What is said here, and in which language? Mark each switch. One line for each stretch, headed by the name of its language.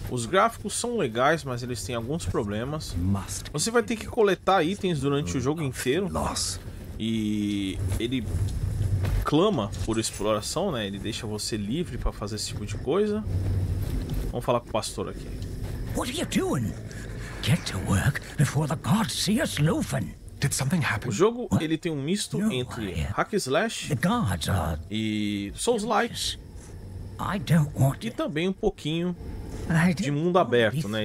Portuguese: Os gráficos são legais, mas eles têm alguns problemas. Você vai ter que coletar itens durante o jogo inteiro. Nossa. E ele clama por exploração, né? Ele deixa você livre para fazer esse tipo de coisa. Vamos falar com o pastor aqui.
English: What are you doing? Get to work before the gods see us loafing. Did something happen?
Portuguese: O jogo, ele tem um misto entre hack slash e souls-like. E também um pouquinho de mundo aberto, né?